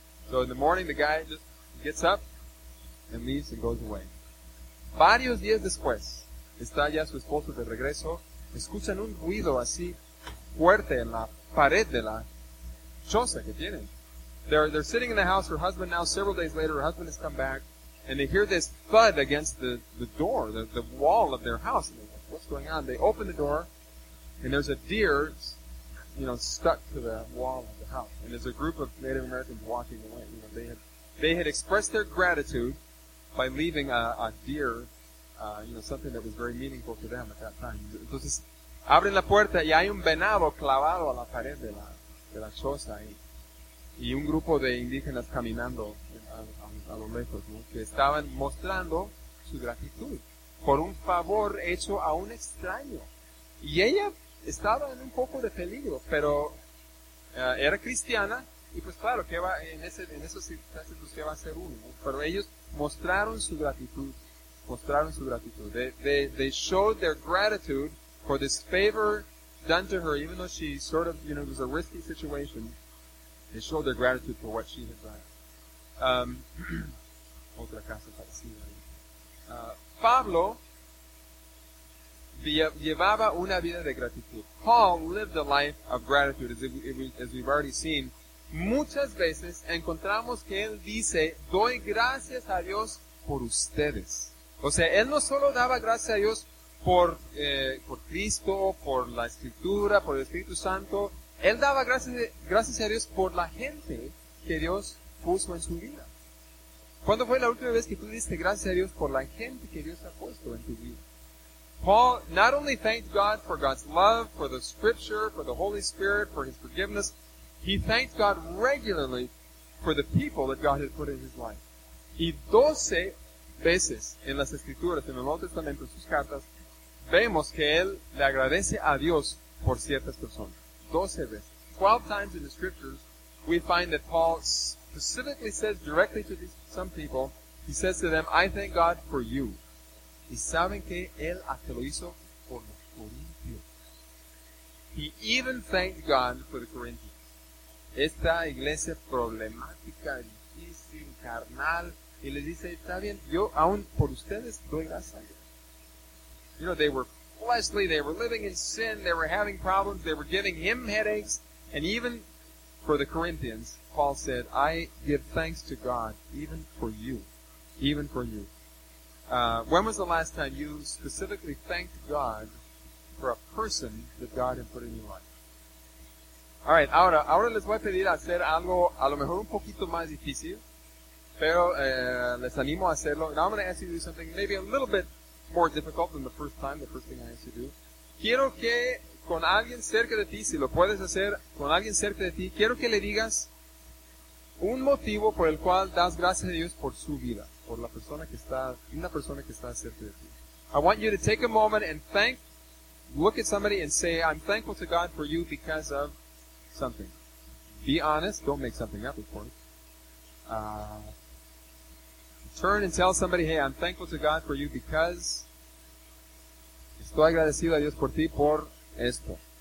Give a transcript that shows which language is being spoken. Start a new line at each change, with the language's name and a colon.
English: So in the morning, the guy just gets up and leaves and goes away.
Spanish: Varios días después, está ya su esposo de regreso. Escuchan un ruido así fuerte en la pared de la choza que tienen.
English: They're sitting in the house. Her husband now, several days later, her husband has come back. And they hear this thud against the door, the wall of their house. And they're like, what's going on? They open the door, and there's a deer, you know, stuck to the wall of the house. And there's a group of Native Americans walking away. You know, they had expressed their gratitude by leaving a deer, you know, something that was very meaningful to them at that time.
Spanish: Entonces, abren la puerta y hay un venado clavado a la pared de la choza ahí. Y un grupo de indígenas caminando a lo lejos, ¿no? Que estaban mostrando su gratitud por un favor hecho a un extraño. Y ella estaba en un poco de peligro, pero era cristiana, y pues claro, que va en esas circunstancias, pues que va a ser uno, ¿no? Pero ellos mostraron su gratitud.
English: They showed their gratitude for this favor done to her, even though she sort of, you know, it was a risky situation. They showed their gratitude for what she had done.
Spanish: otra casa parecida. Pablo llevaba una vida de gratitud.
English: Paul lived a life of gratitude, as we've already seen.
Spanish: Muchas veces encontramos que él dice, doy gracias a Dios por ustedes. O sea, él no solo daba gracias a Dios por Cristo, por la Escritura, por el Espíritu Santo. Él daba gracias a Dios por la gente que Dios puso en su vida. ¿Cuándo fue la última vez que tú diste gracias a Dios por la gente que Dios ha puesto en tu vida?
English: Paul not only thanked God for God's love, for the Scripture, for the Holy Spirit, for His forgiveness, he thanked God regularly for the people that God had put in his life.
Spanish: Y 12 veces en las Escrituras, en el Nuevo Testamento, en sus cartas, vemos que él le agradece a Dios por ciertas personas. 12 veces.
English: 12 times in the Scriptures, we find that Paul specifically says directly to some people, he says to them, I thank God for you.
Spanish: Y saben que él hasta lo hizo por los Corintios.
English: He even thanked God for the Corinthians.
Spanish: Esta iglesia problemática, difícil, carnal, y le dice, está bien, yo aún por ustedes doy gracias a Dios.
English: You know, they were fleshly, they were living in sin, they were having problems, they were giving him headaches, and even for the Corinthians, Paul said, I give thanks to God, even for you, even for you. When was the last time you specifically thanked God for a person that God had put in your life? All right,
Spanish: ahora les voy a pedir hacer algo a lo mejor un poquito más difícil, pero les animo a hacerlo.
English: Now I'm going to ask you to do something maybe a little bit more difficult than the first time, the first thing I asked you to do.
Spanish: Quiero que con alguien cerca de ti, si lo puedes hacer, con alguien cerca de ti, quiero que le digas un motivo por el cual das gracias a Dios por su vida. Por la persona que está, una persona que está cerca de ti.
English: I want you to take a moment and thank, look at somebody and say, I'm thankful to God for you because of something. Be honest, don't make something up, of course. Turn and tell somebody, hey, I'm thankful to God for you because
Spanish: estoy agradecido a Dios por ti, por esto.